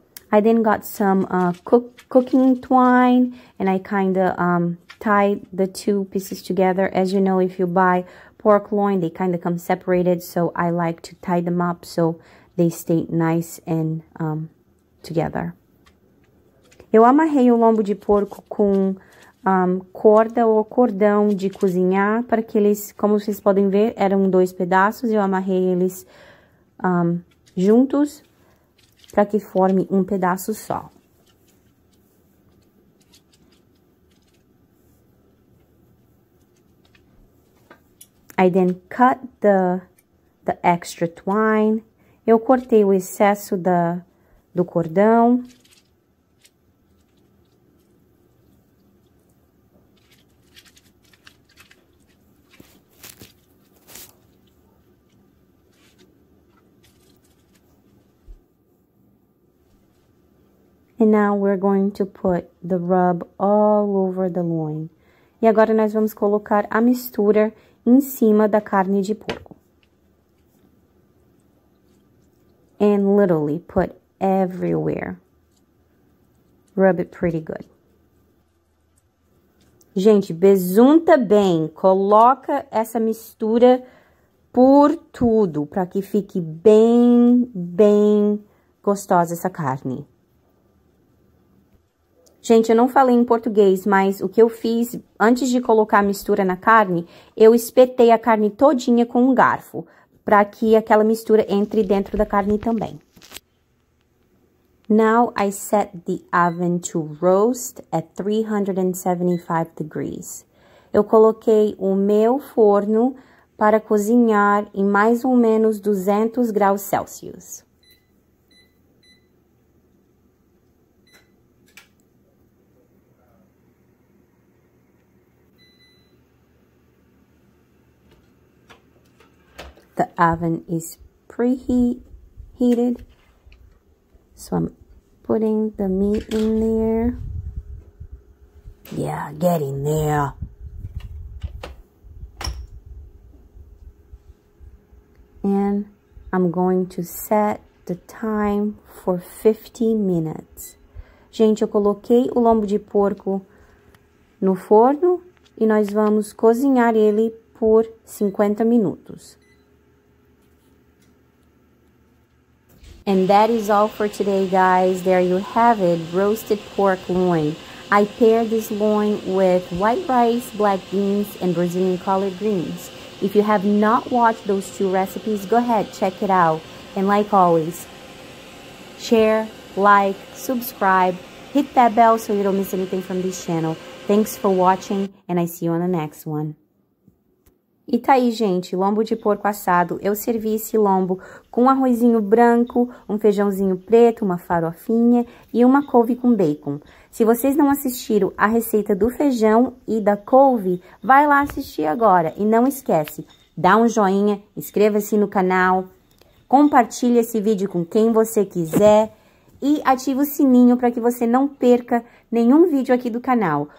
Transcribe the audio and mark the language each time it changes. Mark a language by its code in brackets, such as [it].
[en] I then got some cooking twine and I kind of tied the two pieces together. As you know, if you buy pork loin, they kind of come separated, so I like to tie them up so they stay nice and together. [pt] Eu amarrei o lombo de porco com corda ou cordão de cozinhar para que eles, como vocês podem ver, eram dois pedaços. Eu amarrei eles juntos para que forme um pedaço só. [en] I then cut the extra twine. [pt] Eu cortei o excesso do cordão. [en] And now we're going to put the rub all over the loin. [pt] E agora nós vamos colocar a mistura em cima da carne de porco. [en] And literally put everywhere. Rub it pretty good. [pt] Gente, besunta bem. Coloca essa mistura por tudo, para que fique bem, bem gostosa essa carne. Gente, eu não falei em português, mas o que eu fiz antes de colocar a mistura na carne, eu espetei a carne todinha com um garfo, para que aquela mistura entre dentro da carne também. [en] Now I set the oven to roast at 375 degrees. [pt] Eu coloquei o meu forno para cozinhar em mais ou menos 200 graus Celsius. [en] The oven is preheated, so I'm putting the meat in there. Yeah, get in there. And I'm going to set the time for 50 minutes. [pt] Gente, eu coloquei o lombo de porco no forno e nós vamos cozinhar ele por 50 minutos. [en] And that is all for today, guys. There you have it, roasted pork loin. I paired this loin with white rice, black beans, and Brazilian collard greens. If you have not watched those two recipes, go ahead, check it out. And like always, share, like, subscribe, hit that bell so you don't miss anything from this channel. Thanks for watching, and I see you on the next one. [pt] E tá aí, gente, lombo de porco assado. Eu servi esse lombo com arrozinho branco, um feijãozinho preto, uma farofinha e uma couve com bacon. Se vocês não assistiram a receita do feijão e da couve, vai lá assistir agora. E não esquece, dá um joinha, inscreva-se no canal, compartilha esse vídeo com quem você quiser e ativa o sininho para que você não perca nenhum vídeo aqui do canal.